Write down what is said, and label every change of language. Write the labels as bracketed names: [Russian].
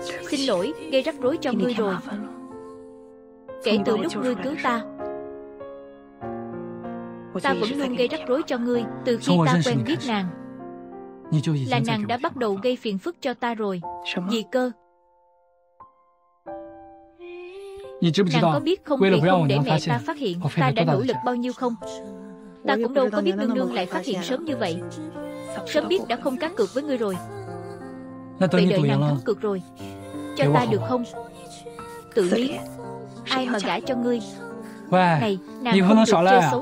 [Vietnamese] Xin lỗi, gây rắc rối cho ngươi rồi. Kể từ lúc ngươi cứu ta, ta vẫn luôn gây rắc rối cho ngươi. Từ khi ta quen biết nàng, là nàng đã bắt đầu gây phiền phức cho ta rồi. Gì cơ? [Chinese] 你知不知道？为了不让我娘发现，我费了多大的劲？ [Vietnamese] không? Ta cũng đâu có biết nương nương lại phát hiện sớm như vậy. Sớm biết đã không cá cược với ngươi rồi. Vậy đợi nàng thắng cược rồi, cho ta được không? Tự lý, ai mà gả cho ngươi? Này, nàng không được chơi xấu